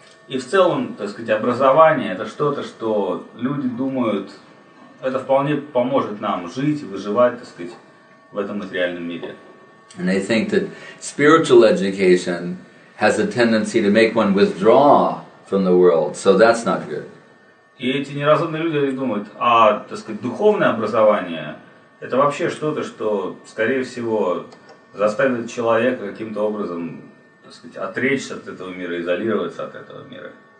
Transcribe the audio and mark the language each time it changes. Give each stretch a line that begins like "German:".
Russian: И в целом, так сказать, образование — это что-то, что люди думают, это вполне поможет нам жить и выживать, так сказать, в этом материальном мире.
English: And they think that spiritual education has a tendency to make one withdraw from the world, so that's not good.
Russian: И эти неразумные люди думают, а, так сказать, духовное образование — это вообще что-то, что, скорее всего, заставит человека каким-то образом, так сказать, отречься от этого мира, изолироваться от этого мира.